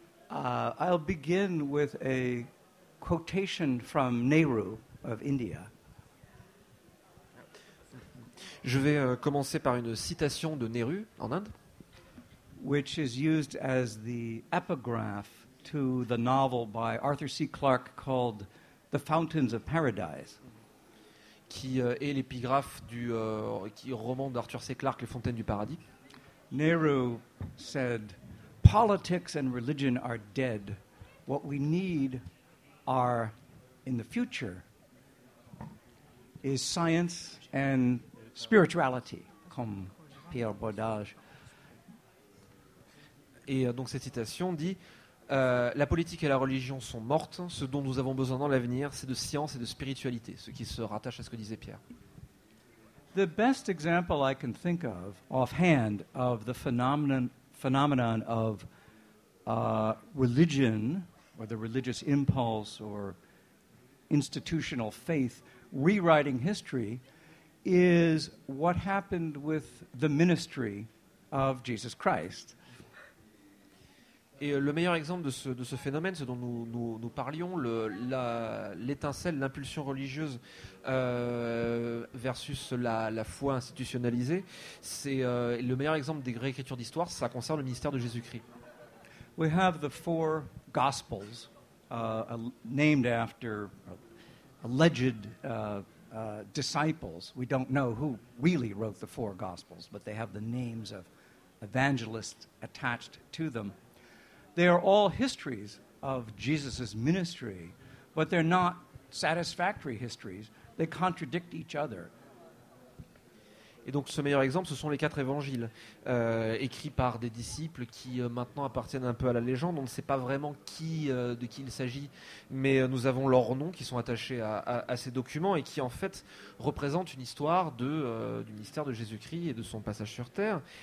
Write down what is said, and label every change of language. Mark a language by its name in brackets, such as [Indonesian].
[English] I'll begin with a quotation from Nehru of India. [French] Je vais commencer par une citation de Nehru en Inde. [English] Which is used as the epigraph to the novel by Arthur C. Clarke called The Fountains of Paradise. [French] Qui est l'épigraphe du roman d'Arthur C. Clarke, Les Fontaines du Paradis. [English] Nehru said, "Politics and religion are dead. What we need are, in the future, is science and spirituality," [French] comme Pierre Bordage. Et donc cette citation dit, la politique et la religion sont mortes. Ce dont nous avons besoin dans l'avenir, c'est de science et de spiritualité, ce qui se rattache à ce que disait Pierre. [English] The best example I can think of, offhand, of the phenomenon of religion, or the religious impulse, or institutional faith, rewriting history, is what happened with the ministry of Jesus Christ. [French] Et le meilleur exemple de ce phénomène, ce dont nous, nous, nous parlions, l'étincelle, l'impulsion religieuse versus la foi institutionnalisée, c'est le meilleur exemple des réécritures d'histoire, ça concerne le ministère de Jésus-Christ. [English] We have the four gospels named after alleged disciples. We don't know who really wrote the four gospels, but they have the names of evangelists attached to them. They are all histories of Jesus' ministry, but they're not satisfactory histories. They contradict each other. [French] Et donc, ce meilleur exemple, ce sont les quatre évangiles, écrits par des disciples qui maintenant appartiennent un peu à la légende. On ne sait pas vraiment qui, de qui il s'agit, mais nous avons leurs noms qui sont attachés à ces documents et qui, en fait, représentent une histoire du ministère de Jésus-Christ et de son passage sur Terre.